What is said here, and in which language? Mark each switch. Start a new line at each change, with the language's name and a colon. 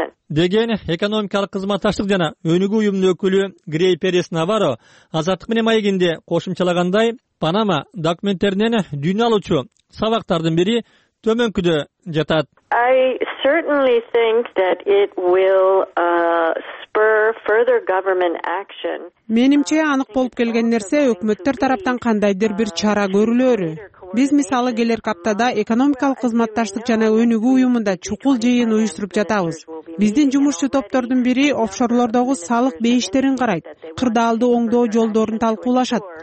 Kyrgyz: Деген экономикалык кызматташтык жана өнүгүү уюмунун өкүлү Грей Перес Наваро азаттык менен маегинде кошумчалагандай, Панама документтеринен дүйнө алуучу сабактардын бири төмөнкүдө жатат.
English: I certainly think that it will spur further government action.
Kyrgyz: Менимче анык болуп келген нерсе өкмөттөр тараптан кандайдыр бир чара көрүлөрү. Биз мисалы келер аптада экономикалык кызматташтык жана өнүгүү уюмунда чукул жыйын уюштуруп жатабыз. Биздин жумушчу топтордун бири офшорлордогу салык бейиштерин карайт, кырдаалды оңдоо жолдорун талкуулашат.